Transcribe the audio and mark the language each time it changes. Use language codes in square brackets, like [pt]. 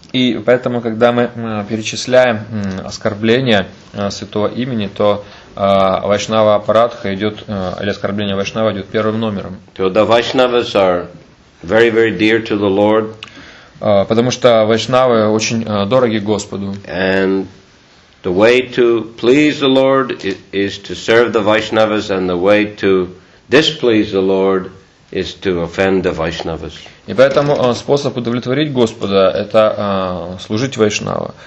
[ru] И поэтому, когда мы перечисляем оскорбления святого имени, то Вайшнава аппаратха идет, или оскорбление Вайшнава идет первым номером. [en] So the Vaishnavas are very, very dear to the Lord. [ru] Потому что Вайшнавы очень дороги Господу. [en] And the way to please the Lord is to serve the Vaishnavas, and the way to displease the Lord is to offend the Vaishnavas. [ru] И поэтому способ удовлетворить Господа – это служить Вайшнава.